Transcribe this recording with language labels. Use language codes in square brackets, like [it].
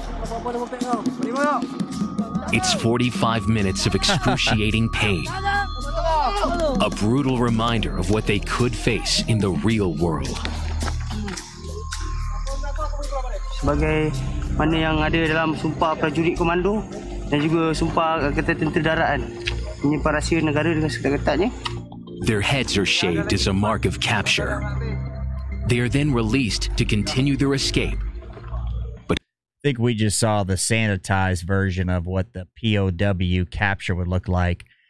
[en] It's 45 minutes of excruciating pain. A brutal reminder of what they could face in the real world. [ms] Sebagai mana yang ada dalam sumpah prajurit komando dan juga sumpah kata tentera daratan. [en] Their heads are shaved as a mark of capture. They are then released to continue their escape. But I think we just saw the sanitized version of what the POW capture would look like.